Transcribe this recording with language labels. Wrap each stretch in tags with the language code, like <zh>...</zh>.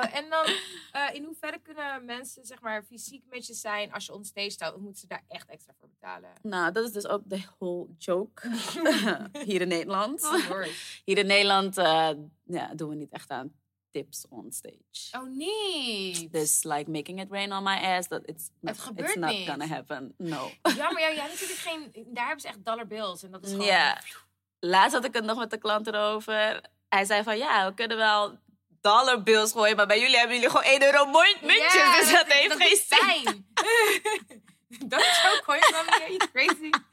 <nl>En dan, in hoeverre kunnen mensen zeg maar fysiek met je zijn als je on stage staat? Of moeten ze daar echt extra voor betalen? Nou, dat is dus ook de</nl> <en>whole joke</en> <nl>hier in Nederland. Oh, hier in Nederland doen we niet echt aan</nl> <en>tips on stage.</en> <nl>Oh, niet. Dus,</nl> <en>like, making it rain on my ass, that it's not</en> <nl>niet.</nl> <en>Gonna happen. No.</en> <nl>Jammer, ja, natuurlijk geen... Daar hebben ze echt dollar bills. En dat is gewoon... Ja. Laatst had ik het nog met de klant erover. Hij zei van, ja, we kunnen wel dollar bills gooien, maar bij jullie hebben jullie gewoon 1 euro muntje. Yeah, dus dat heeft geen zin. Fijn. Dat is ook gewoon crazy.</nl>